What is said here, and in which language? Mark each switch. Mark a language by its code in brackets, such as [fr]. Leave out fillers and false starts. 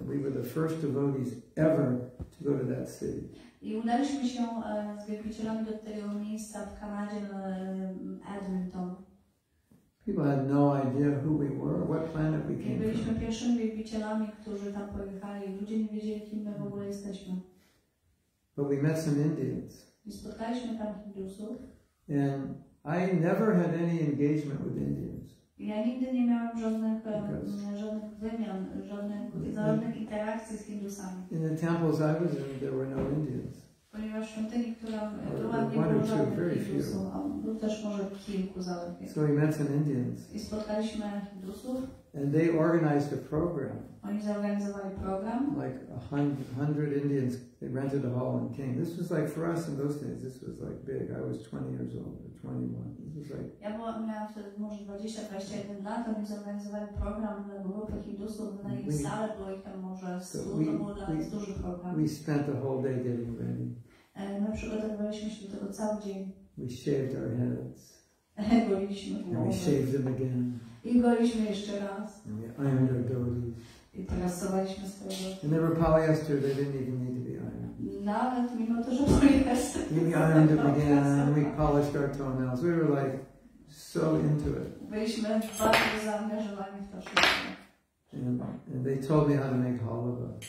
[en] We were the first devotees ever to go to that city. [pl] I udaliśmy się z wielbicielami do tego miejsca w Kanadzie, Edmonton. [en] People had no idea who we were, what planet we came from. [pl] Byliśmy pierwszymi wielbicielami, którzy tam pojechali. Ludzie nie wiedzieli, kim my w ogóle jesteśmy. [en] But we met some Indians. [pl] I spotkaliśmy tam Hindusów. [en] And I never had any engagement with Indians. [pl] Ja nigdy nie miałam żadnych interakcji z Hindusami. [en] In the temples I was in, there were no Indians. [pl] Ponieważ świątyni, która była, nie było żadnych Hindusów, a był też może kilku zaledwie. [en] So we met some Indians. [pl] I spotkaliśmy Hindusów. [en] And they organized a program. [pl] Oni zorganizowali program. [en] Like 100 Indians, they rented a hall and came. This was like for us in those days, this was like big. I was 20 years old or 21. This was like. [pl] Ja miałam wtedy może 20-21 lat, oni zorganizowali program dla grupy Hindusów na ich salę, było ich tam może 100, duży program. [en] We spent the whole day getting ready. [pl] My przygotowywaliśmy się do tego cały dzień. [en] We shaved our heads. [pl] Goliliśmy głowy. [en] And we shaved them again. [pl] I goliliśmy jeszcze raz. [en] And we ironed our goatees. [pl] I trasowaliśmy swoje włosy. [en] And they were polyester, they didn't even need to be ironed. [pl] Nawet mimo to, że polyester. [en] We ironed them again, and we polished our toenails. We were like so into it. [pl] Byliśmy bardzo zaangażowani w to wszystko. [en] And they told me how to make halva.